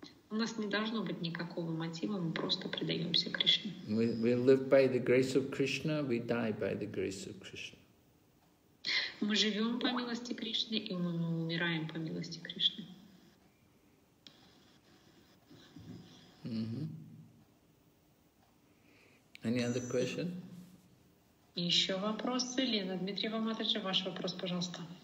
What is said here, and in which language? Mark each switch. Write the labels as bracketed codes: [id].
[ru] У нас не должно быть никакого мотива, мы просто предаемся Кришне. [en] We live by the grace of Krishna, we die by the grace of Krishna. [ru] Мы живем по милости Кришны, и мы умираем по милости Кришны. Mm-hmm. [en] Any other question? [ru] Еще вопросы? Лена Дмитриева Матыча, ваш вопрос, пожалуйста.